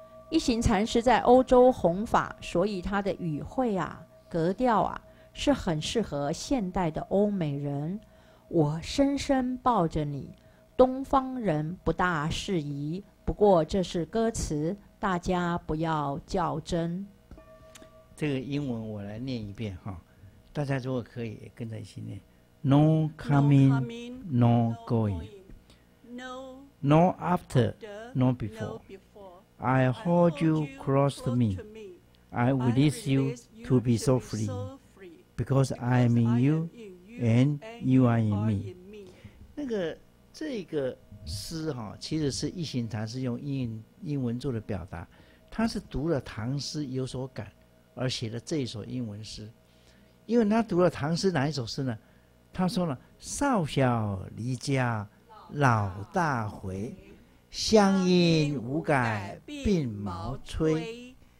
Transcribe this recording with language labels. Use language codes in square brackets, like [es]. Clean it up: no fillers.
[zh] 一行禅师在欧洲弘法，所以他的语汇啊，格调啊，是很适合现代的欧美人。我深深抱着你，东方人不大适宜，不过这是歌词，大家不要较真。这个英文我来念一遍哈，大家如果可以也跟着一起念。 [en] No coming, no going, no after, no before, I hold you close to me, I release you to be so free, because I am in you and you are in me. [zh] 那个这个诗哈、哦，其实是一行禅师用英文做的表达，他是读了唐诗有所感，而写了这一首英文诗。因为他读了唐诗哪一首诗呢？他说了：“少小离家老大回，乡音无改鬓毛衰。”